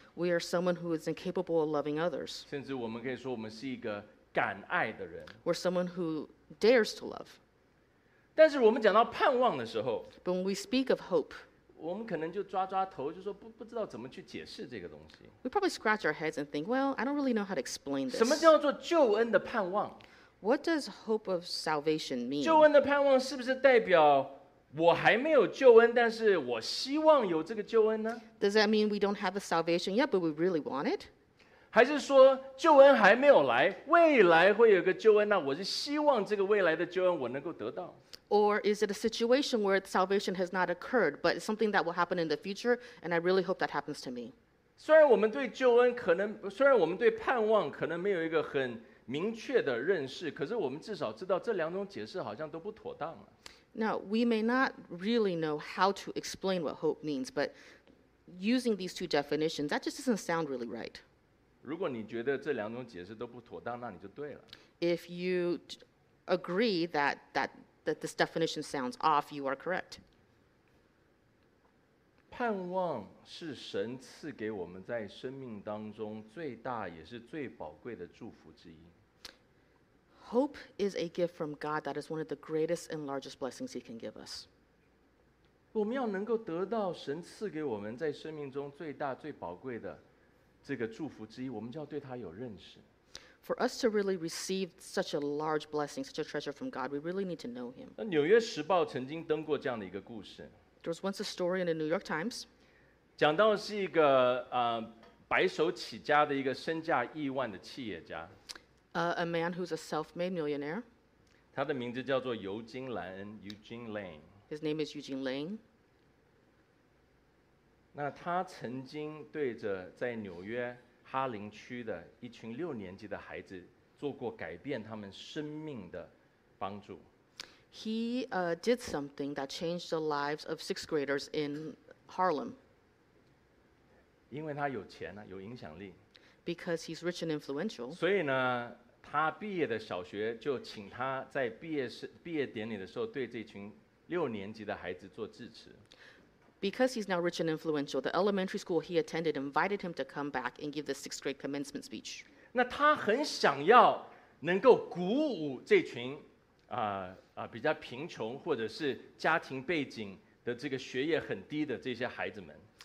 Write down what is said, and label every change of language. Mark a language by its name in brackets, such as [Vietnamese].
[English] We are someone who is incapable of loving others. [Chinese] 甚至我们可以说我们是一个敢爱的人。 [English] We're someone who dares to love. [Chinese] 但是我们讲到盼望的时候， [English] But when we speak of hope, [Chinese] 我们可能就抓抓头，就说不知道怎么去解释这个东西。 [English] We probably scratch our heads and think, well, I don't really know how to explain this. [Chinese] 什么叫做救恩的盼望？ [English] What does hope of salvation mean? [Chinese] 救恩的盼望是不是代表我还没有救恩，但是我希望有这个救恩呢？ [English] Does that mean we don't have the salvation yet, but we really want it? [Chinese] 还是说救恩还没有来，未来会有个救恩，那我是希望这个未来的救恩我能够得到？ [English] Or is it a situation where salvation has not occurred, but it's something that will happen in the future, and I really hope that happens to me. [Chinese] 虽然我们对救恩可能，虽然我们对盼望可能没有一个很明确的认识，可是我们至少知道这两种解释好像都不妥当。 [English] Now, we may not really know how to explain what hope means, but using these two definitions, that just doesn't sound really right. [Chinese] 如果你觉得这两种解释都不妥当，那你就对了。 [English] If you agree that this definition sounds off, you are correct. [Chinese] 盼望是神赐给我们在生命当中最大也是最宝贵的祝福之一。 [English] Hope is a gift from God that is one of the greatest and largest blessings He can give us. [Chinese] 我们要能够得到神赐给我们在生命中最大最宝贵的这个祝福之一，我们就要对他有认识。 [English] For us to really receive such a large blessing, such a treasure from God, we really need to know Him. [Chinese] 那《纽约时报》曾经登过这样的一个故事。 [English] There was once a story in the New York Times. [Chinese] 讲到是一个白手起家的一个身价亿万的企业家。 [English] A man who's a self-made millionaire. [Chinese] 他的名字叫做尤金·莱恩 ，Eugene Lane. [English] His name is Eugene Lane. [Chinese] 那他曾经对着在纽约哈林区的一群六年级的孩子做过改变他们生命的帮助。 [English] He did something that changed the lives of sixth graders in Harlem. [Chinese] 因为他有钱啊，有影响力。 [English] Because he's rich and influential. [Chinese] 所以呢，他毕业的小学就请他在毕业典礼的时候对这群六年级的孩子做致辞。 [English] Because he's now rich and influential, the elementary school he attended invited him to come back and give the sixth grade commencement speech. [Chinese] 那他很想要能够鼓舞这群比较贫穷或者是家庭背景的这个学业很低的这些孩子们。